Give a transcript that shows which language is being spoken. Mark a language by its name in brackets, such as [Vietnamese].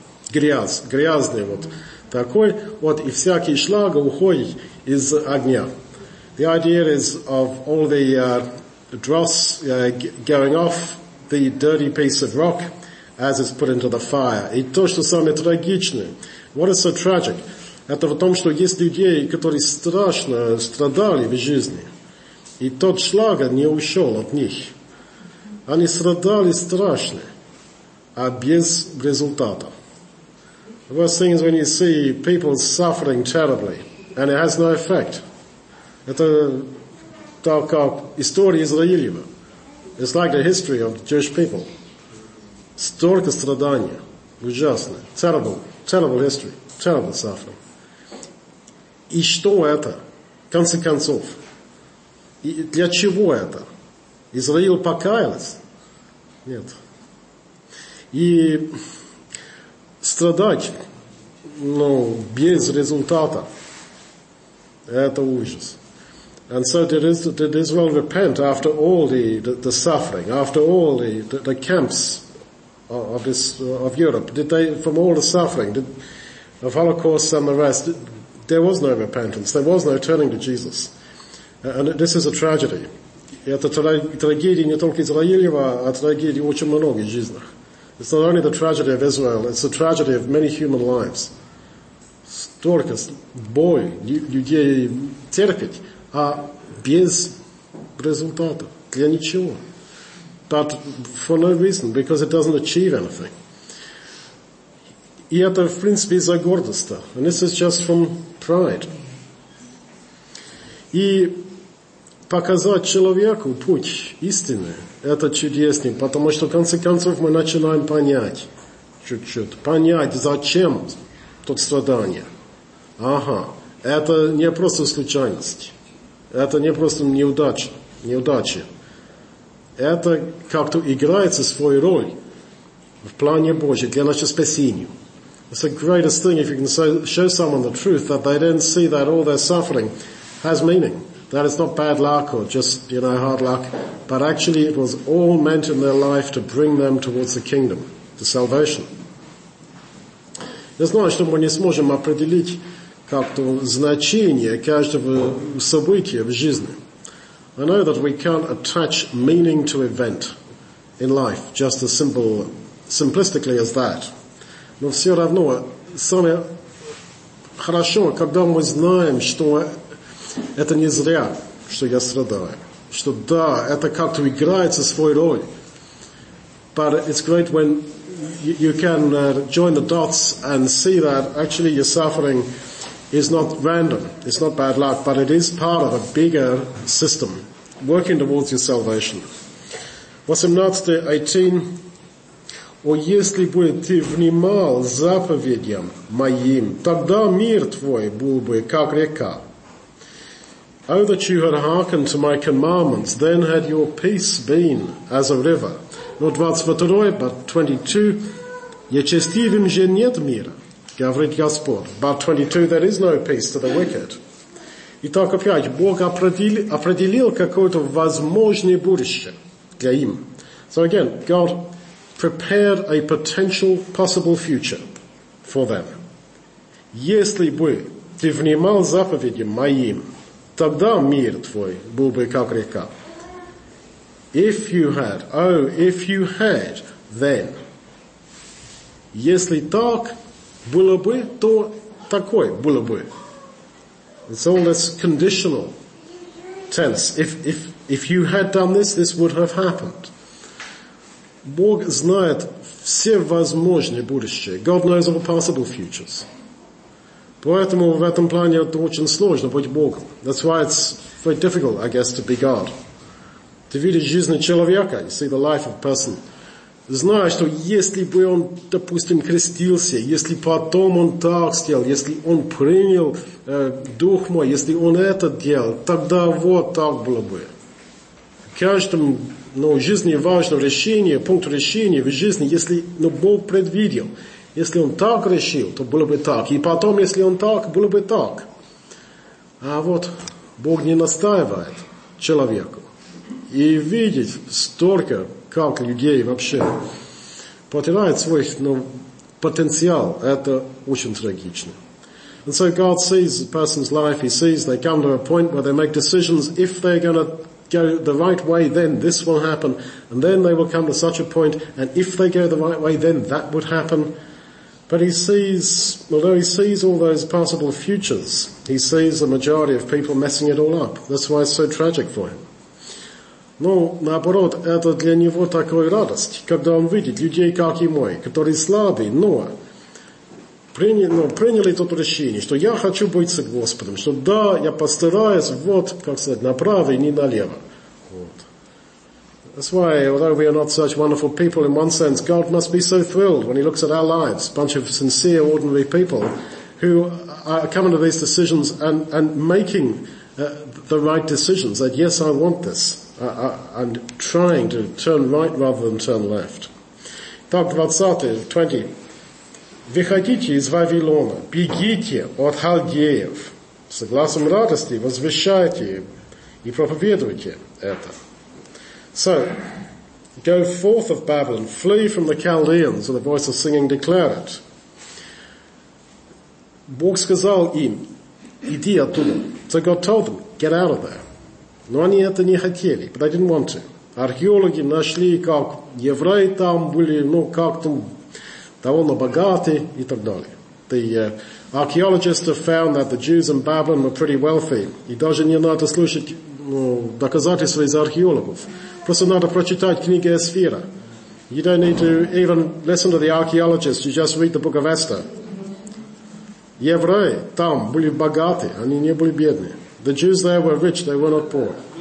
[Russian] грязный вот такой, вот и всякий шлаг уходит из огня. [English] The idea is of all the dross going off the dirty piece of rock as it's put into the fire. [Russian] И то, что самое трагичное. [English] What is so tragic? [Russian] Это в том, что есть людей, которые страшно страдали в жизни. И тот шлаг не ушел от них. Они страдали страшно, а без результата. [English] The worst thing is when you see people suffering terribly, and it has no effect. [Russian] Это так как история Израилева. [English] It's like the history of the Jewish people. [Russian] Столько страдания. Ужасно. [English] Terrible. Terrible history. Terrible suffering. [Russian] И что это? В конце концов. И для чего это? Израил покаялся? Нет. И страдать, ну, без результата, это ужас. [English] And so did Israel repent after all the suffering, after all the camps of this, of Europe? Did they, from all the suffering, of Holocaust and the rest, there was no repentance, there was no turning to Jesus. And this is a tragedy. [Russian] Это трагедия не только Израилева, а трагедия очень многих жизней. [English] It's not only the tragedy of Israel, it's the tragedy of many human lives. [Russian] Столько боли людей терпеть, а без результата, для ничего. [English] But for no reason, because it doesn't achieve anything. [Russian] И это, в принципе, из-за гордости. [English] And this is just from pride. [Russian] И показать человеку путь истины, это чудесно, потому что, в конце концов, мы начинаем понять чуть-чуть, понять, зачем тут страдание. Ага, это не просто случайность. Это не просто неудача. Это как-то играет свою роль в плане Божьем для нашего спасения. [English] It's the greatest thing if you can show someone the truth that they then see that all their suffering has meaning. That it's not bad luck or just, you know, hard luck, but actually it was all meant in their life to bring them towards the kingdom, to salvation. [Russian] Я знаю, что мы не сможем определить как-то значение каждого события в жизни. [English] I know that we can't attach meaning to event in life just as simplistically as that. [Russian] Но все равно самое хорошо, когда мы знаем, что это не зря, что я страдаю. Что да, это как-то играет свою роль. [English] But it's great when you can join the dots and see that actually you're suffering is not random, it's not bad luck, but it is part of a bigger system working towards your salvation. [Russian] 18. О, если бы ты внимал заповедям моим, тогда мир твой был бы как река. [English] Oh, that you had hearkened to my commandments, then had your peace been as a river. Not 22, but 22. [Russian] Нечестивым же нет мира. Говорит Господь. [English] But 22, there is no peace to the wicked. [Russian] Итак, опять, Бог определил какое-то возможное будущее для им. [English] So again, God prepared a potential possible future for them. [Russian] Если бы ты внимал заповеди моим, тогда мир твой был бы как река. [English] If you had, oh, if you had, then. [Russian] Если так, было бы, то такое было бы. [English] It's all this conditional tense. If you had done this, this would have happened. [Russian] Бог знает все возможные будущие. [English] God knows all possible futures. [Russian] Поэтому в этом плане это очень сложно быть Богом. [English] That's why it's very difficult, I guess, to be God. [Russian] Ты видишь жизнь человека, [English] you see the life of a person. [Russian] Знаешь, что если бы он, допустим, крестился, если потом он так сделал, если он принял Дух мой, если он это делал, тогда вот так было бы. В каждом, ну, жизни важно решение, пункт решения в жизни, если, ну, Бог предвидел, если он так решил, то было бы так. И потом, если он так, было бы так. А вот Бог не настаивает человеку. И видеть столько, как людей вообще потеряют свой, ну, потенциал. Это очень трагично. [English] And so God sees a person's life. He sees they come to a point where they make decisions. If they're going to go the right way, then this will happen. And then they will come to such a point. And if they go the right way, then that would happen. But he sees, although he sees all those possible futures, he sees the majority of people messing it all up. That's why it's so tragic for him. [Russian] Но, наоборот, это для него такая радость, когда он видит людей, как и мой, которые слабы, но приняли тот решение, что я хочу быть с Господом, что да, я постараюсь, вот, как сказать, направо и не налево. Вот. [English] That's why, although we are not such wonderful people in one sense, God must be so thrilled when he looks at our lives, a bunch of sincere, ordinary people who are coming to these decisions and making the right decisions, that yes, I want this. And trying to turn right rather than turn left. [Russian] Так, 20. Выходите из Вавилона, бегите от халдеев. Согласом радости возвещайте и проповедуйте это. [English] So, go forth of Babylon, flee from the Chaldeans, and the voice of singing declare it. [Russian] Бог сказал им, иди оттуда. [English] So God told them, get out of there. [Russian] Но они это не хотели, [English] but they didn't want to. [Russian] Археологи нашли, как евреи там были, ну, как-то довольно богаты и так далее. [English] The archaeologists have found that the Jews in Babylon were pretty wealthy. [Russian] И даже не надо слушать доказательства из археологов. Просто надо прочитать книги Эсфира. [English] You don't need to even listen to the archaeologists, you just read the book of Esther. [Russian] Евреи там были богаты, они не были бедны. [English] The Jews there were rich, they were not poor.